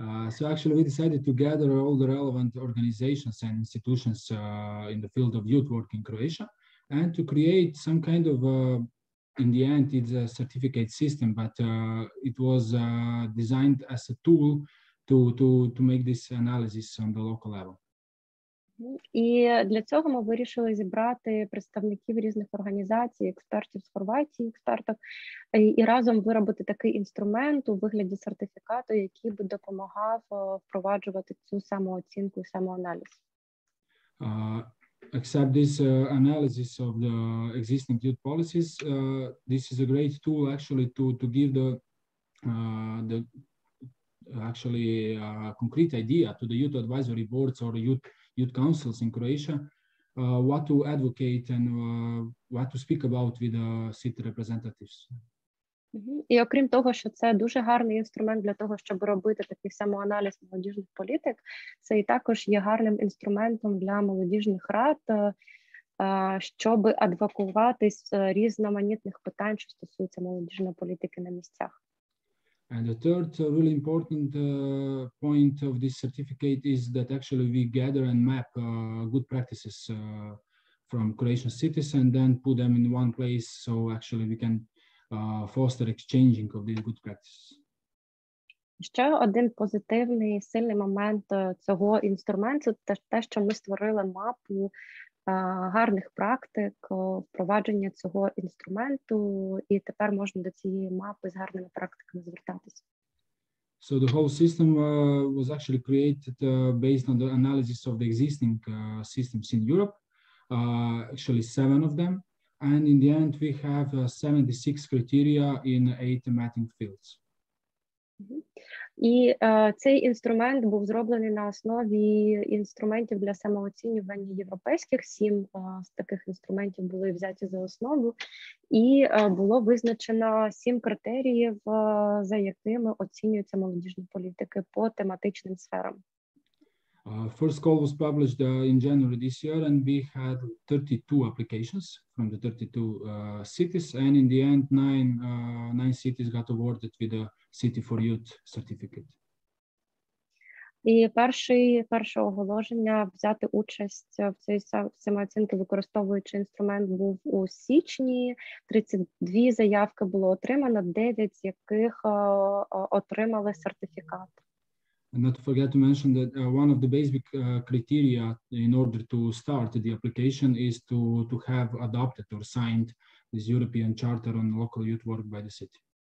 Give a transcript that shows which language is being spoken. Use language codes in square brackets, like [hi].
[en] So actually we decided to gather all the relevant organizations and institutions in the field of youth work in Croatia and to create some kind of in the end, it's a certificate system, but it was designed as a tool to make this analysis on the local level. [uk] І для цього ми вирішили зібрати представників різних організацій, експертів з Хорватії, експертів, і разом виробити такий інструмент у вигляді сертифікату, який би допомагав впроваджувати цю самооцінку і самоаналіз. [en] Except this analysis of the existing youth policies, this is a great tool actually to give the actually a concrete idea to the youth advisory boards or youth councils in Croatia, what to advocate and what to speak about with city representatives. [uk] І окрім того, що це дуже гарний інструмент для того, щоб робити такий самоаналіз молодіжних політик, це і також є гарним інструментом для молодіжних рад, щоб адвокуватись з різноманітних питань, що стосуються молодіжної політики на місцях. [en] And the third really important point of this certificate is that actually we gather and map good practices from Croatian cities and then put them in one place so actually we can foster exchanging of these good practices. [uk] Ще один позитивний сильний момент цього інструменту – це те, що ми створили мапу гарних практик впровадження цього інструменту, і тепер можна до цієї мапи з гарними практиками звертатися. [en] So the whole system was actually created based on the analysis of the existing systems in Europe, actually 7 of them. And in the end, we have 76 criteria in 8 mapping fields. [uk] І цей інструмент був зроблений на основі інструментів для самооцінювання європейських, 7 з таких інструментів були взяті за основу, і було визначено 7 критеріїв, за якими оцінюються молодіжні політики по тематичним сферам. [en] First call was published in January this year, and we had 32 applications from the 32 cities, and in the end, 9 cities got awarded with a City for Youth certificate. [uk] І перше оголошення взяти участь в цій самооцінці, використовуючи інструмент, був у січні. 32 заявки було отримано, 9 з яких отримали сертифікат. [en] And not to forget to mention that one of the basic criteria in order to start the application is to have adopted or signed this European Charter on Local Youth Work by the city.